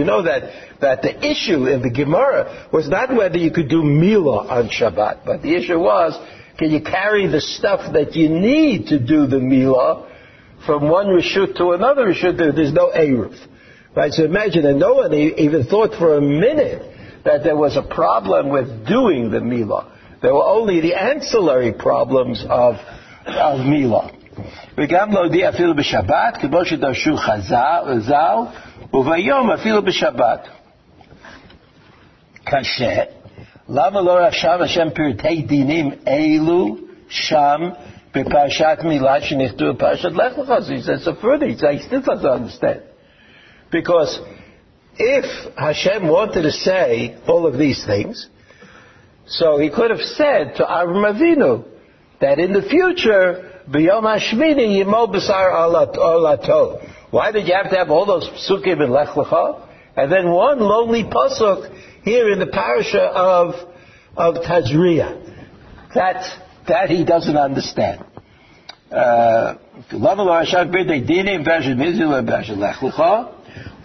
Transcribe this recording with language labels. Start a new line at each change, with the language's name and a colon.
English: You know that the issue in the Gemara was not whether you could do Milah on Shabbat, but the issue was, can you carry the stuff that you need to do the Milah from one Rishut to another Rishut? There's no Eruv. Right? So imagine that no one even thought for a minute that there was a problem with doing the Milah. There were only the ancillary problems of Milah.
Hebrew: וגם להודיע אפילו בשבת כמו שדרשו חזל וביום אפילו בשבת קשה למה לא רשם השם פרטי דינים אלו שם בפרשת מילה שנכתו בפרשת לך לך זה
English: so further it's like still doesn't understand because if Hashem wanted to say all of these things so he could have said to Avraham Avinu that in the future
Hebrew: B'yom HaShmini Yimol B'sar Olato.
English: Why did you have to have all those psukim in Lech Lecha? And then one lonely pasuk here in the parasha of Tazria. That he doesn't understand.
Hebrew: Lama lo hashav b'day dinim v'ashad mizil v'ashad Lech Lecha.